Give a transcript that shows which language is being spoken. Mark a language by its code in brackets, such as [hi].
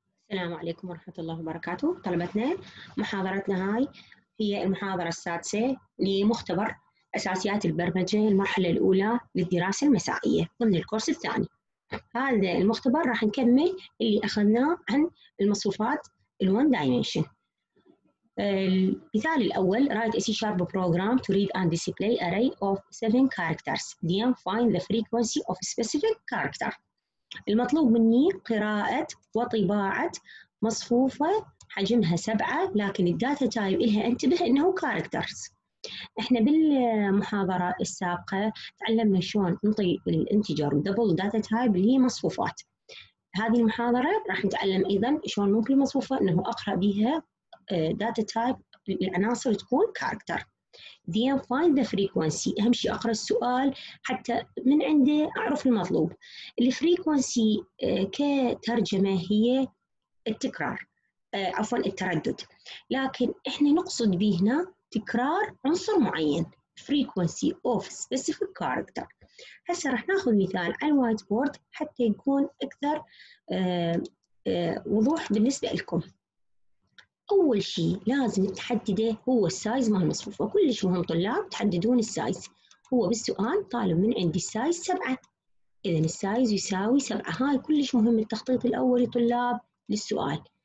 [ar] السلام عليكم ورحمة الله وبركاته. طلبتنا محاضرتنا هاي هي المحاضرة السادسة لمختبر أساسيات البرمجة المرحلة الأولى للدراسة المسائية ضمن الكورس الثاني. هذا المختبر راح نكمل اللي أخذناه عن المصفوفات الـ [en] One Dimension. [ar] المثال الأول: [en] write a C-sharp program to read and display array of 7 characters. Then find the frequency of a specific character. [ar] المطلوب مني قراءة وطباعة مصفوفة حجمها 7، لكن الداتا تايب إلها انتبه إنه كاركترز. إحنا بالمحاضرة السابقة تعلمنا شلون نطي الانتجر دبل داتا تايب اللي هي مصفوفات. هذه المحاضرة راح نتعلم أيضا شلون ممكن مصفوفة إنه أقرأ بها داتا تايب العناصر تكون كاركتر. [en] Then find the frequency. [ar] أهم شيء أقرأ السؤال حتى من عنده أعرف المطلوب. [en] The frequency [ar] كترجمة هي التكرار، عفوا التردد، لكن إحنا نقصد به هنا تكرار عنصر معين. [en] Frequency of specific character. [ar] هسه رح نأخذ مثال على الوايت بورد حتى يكون أكثر وضوح بالنسبة لكم. أول شيء لازم تحدده هو السايز مال المصفوفة، كلش مهم طلاب تحددون السايز. هو بالسؤال طالب من عندي السايز 7، إذا السايز يساوي 7، هاي كلش مهم التخطيط الأولي طلاب للسؤال.